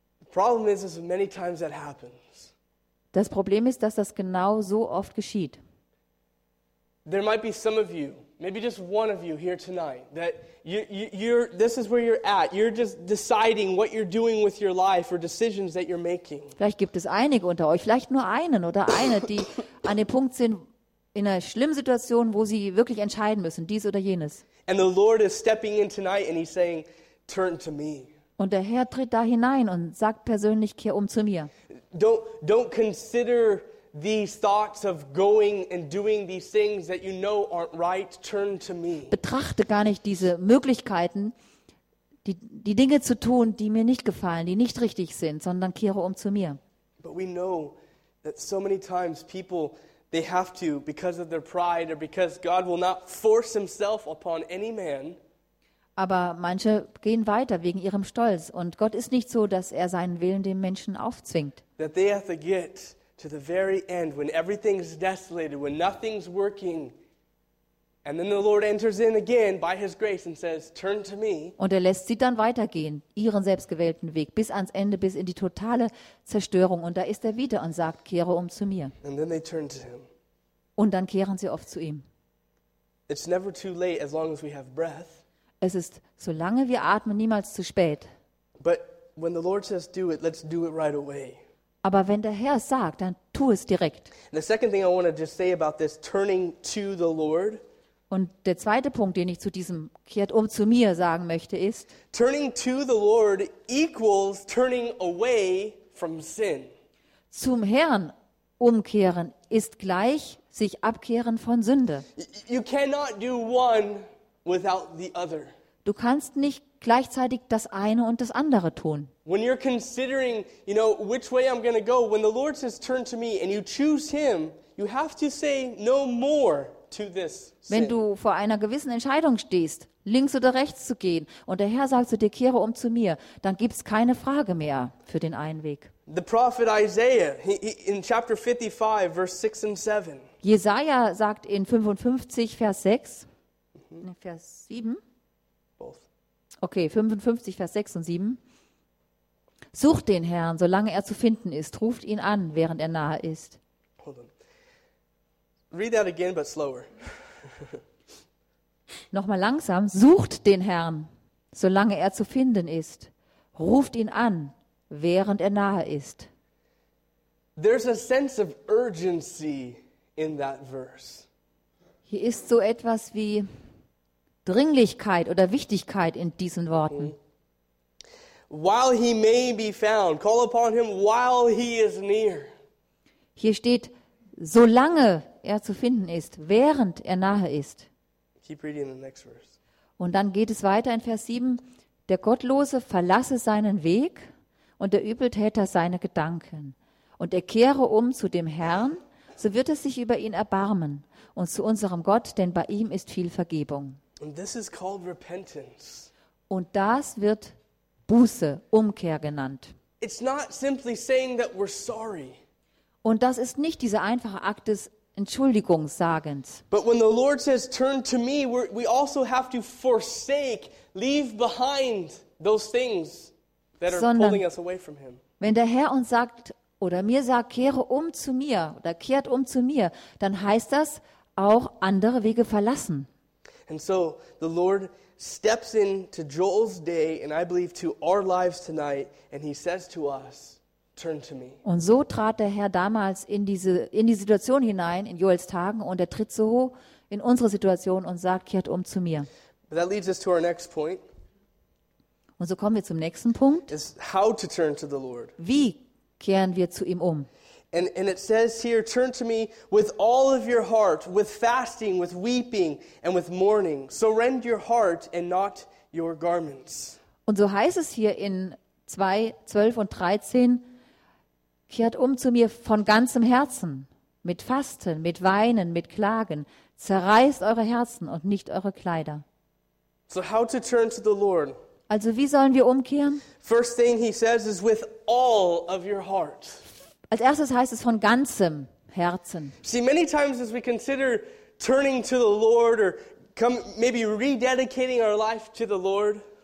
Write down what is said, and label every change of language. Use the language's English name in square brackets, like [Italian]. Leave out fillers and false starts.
[English] Problem is, is many times that happens. [German] Das Problem ist, dass das genau so oft geschieht. [English] There might be some of you, maybe just one of you here tonight, that you're this is where you're at. You're just deciding what you're doing with your life or decisions that you're making. [German] Vielleicht gibt es einige unter euch, vielleicht nur einen oder eine, die an dem Punkt sind, in einer schlimmen Situation, wo sie wirklich entscheiden müssen, dies oder jenes. [English] And the Lord is stepping in tonight and he's saying, turn to me. [German] Und der Herr tritt da hinein und sagt persönlich, kehr um zu mir. [English] Don't consider these thoughts of going and doing these things that you know aren't right, turn to me. [German] Betrachte gar nicht diese Möglichkeiten, die Dinge zu tun, die mir nicht gefallen, die nicht richtig sind, sondern kehre um zu mir. [English] But we know that so many times people, they have to, because of their pride or because God will not force himself upon any man. [German] Aber manche gehen weiter wegen ihrem Stolz. Und Gott ist nicht so, dass er seinen Willen dem Menschen aufzwingt. [English] That they have to get to the very end, when everything is desolated, when nothing's working. And then the Lord enters in again by his grace and says, turn to me. [German] Und er lässt sie dann weitergehen, ihren selbstgewählten Weg, bis ans Ende, bis in die totale Zerstörung. Und da ist er wieder und sagt, kehre um zu mir. [English] And then they turn to him. [German] Und dann kehren sie oft zu ihm. [English] It's never too late as long as we have breath. [German] Es ist, solange wir atmen, niemals zu spät. [English] But when the Lord says do it, let's do it right away. [German] Aber wenn der Herr sagt, dann tu es direkt. [English] And the second thing I want to just say about this turning to the Lord. [German] Und der zweite Punkt, den ich zu diesem "Kehrt um zu mir" sagen möchte, ist: [English] Turning to the Lord equals turning away from sin. [German] Zum Herrn umkehren ist gleich sich abkehren von Sünde. [English] You cannot do one without the other. [German] Du kannst nicht gleichzeitig das eine und das andere tun. [English] When you're considering, you know, which way I'm going to go, when the Lord says turn to me and you choose him, you have to say no more to this sin. [German] Wenn du vor einer gewissen Entscheidung stehst, links oder rechts zu gehen, und der Herr sagt zu dir, kehre um zu mir, dann gibt's keine Frage mehr für den einen Weg. [English] The prophet Isaiah, in chapter 55, verse 6 and 7. [German] Jesaja sagt in 55, Vers 6, Vers 7, okay, 55, Vers 6 und 7. Sucht den Herrn, solange er zu finden ist. Ruft ihn an, während er nahe ist. [English] Hold on. Read that again, but slower. [German] Nochmal langsam. Sucht den Herrn, solange er zu finden ist. Ruft ihn an, während er nahe ist. [English] There's a sense of urgency in that verse. [German] Hier ist so etwas wie Dringlichkeit oder Wichtigkeit in diesen Worten. [English] While he may be found, call upon him while he is near. [German] Hier steht, solange er zu finden ist, während er nahe ist. [English] Keep reading the next verse. [German] Und dann geht es weiter in Vers 7. Der Gottlose verlasse seinen Weg und der Übeltäter seine Gedanken. Und er kehre um zu dem Herrn, so wird er sich über ihn erbarmen. Und zu unserem Gott, denn bei ihm ist viel Vergebung. [English] And this is called repentance. [German] Und das wird Buße, Umkehr genannt. [English] It's not simply saying that we're sorry. [German] Und das ist nicht dieser einfache Akt des Entschuldigungssagens. [English] But when the Lord says turn to me, we also have to forsake, leave behind those things that are pulling us away from him. [German] Wenn der Herr uns sagt oder mir sagt, kehre um zu mir oder kehrt um zu mir, dann heißt das auch andere Wege verlassen. [English] And so the Lord steps into Joel's day and I believe to our lives tonight and he says to us, turn to me. [German] Und so trat der Herr damals in die Situation hinein in Joels Tagen und er tritt so in unsere Situation und sagt, kehrt um zu mir. [English] But that leads us to our next point. [German] Und so kommen wir zum nächsten Punkt. [English] It's how to turn to the Lord. [German] Wie kehren wir zu ihm um? [English] And it says here, turn to me with all of your heart, with fasting, with weeping, and with mourning. Surrender your heart and not your garments. [German] Und so heißt es hier in 2, 12 und 13, kehrt um zu mir von ganzem Herzen, mit Fasten, mit Weinen, mit Klagen. Zerreißt eure Herzen und nicht eure Kleider. [English] So how to turn to the Lord? [German] Also wie sollen wir umkehren? [English] First thing he says is with all of your heart. [German] Als erstes heißt es von ganzem Herzen. [English] See, many times as we consider turning to the Lord or maybe rededicating our life to the Lord.